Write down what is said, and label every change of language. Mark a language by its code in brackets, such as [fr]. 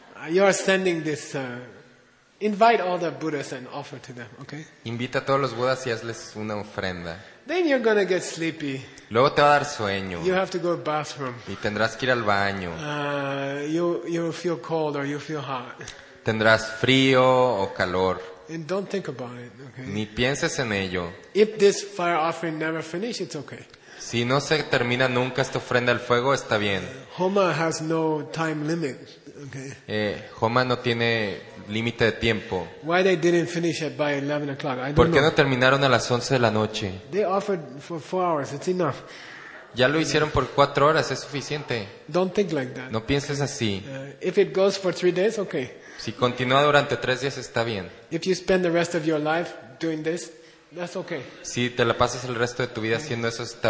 [en] You are sending this invite all the Buddhas and offer to them, okay? [es] Invita a todos los Budas y hazles una ofrenda. [en] Then you're going to get sleepy. [es] Luego te va a dar sueño. [en] You have to go to the bathroom. [es] Y tendrás que ir al baño. [en] You feel cold or you feel hot. [es] Tendrás frío o calor. [en] And don't think about it, okay? [es] Ni pienses en ello. [en] If this fire offering never finishes, it's okay. [es] Si no se termina nunca esta ofrenda al fuego, está bien. [en] Homa has no time limit. Okay. [es] Homa no tiene límite de tiempo. [en] Why they didn't finish it by 11 o'clock? I don't know. [es] ¿Por qué no terminaron a las 11 de la noche? [en] They offered for 4 hours. It's enough. [es] Ya lo hicieron por 4 horas, es suficiente. [en] Don't think like that. [es] No pienses así. [en] If it goes for 3 days, okay. [es] Si continúa durante 3 días, está bien. [en] If you spend the rest of your life doing this. That's okay. [es] Si te la pasas el resto de tu vida haciendo eso, está